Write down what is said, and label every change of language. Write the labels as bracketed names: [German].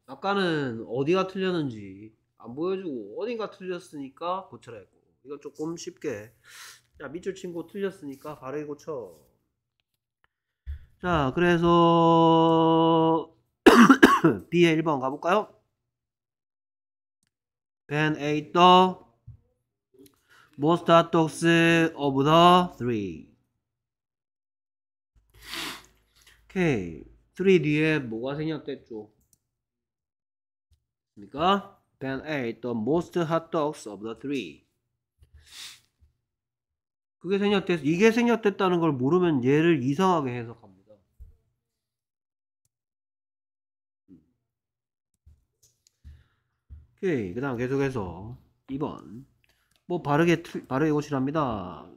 [Korean] 아까는 어디가 틀렸는지 안 보여주고 어딘가 틀렸으니까 고쳐라 했고 이거 조금 쉽게 자 밑줄 친 거 틀렸으니까 바르게 고쳐. 자 그래서 B의 1번 가볼까요? [English] Ben ate the most hot dogs of the three. [Korean] 오케이. 3 뒤에 뭐가 생략됐죠? 그러니까 [English] Ben ate the most hot dogs of the three. [Korean] 그게 생략됐어. 이게 생략됐다는 걸 모르면 얘를 이상하게 해석합니다. 오케이. 그 다음 계속해서 2번 뭐 바르게 고치랍니다.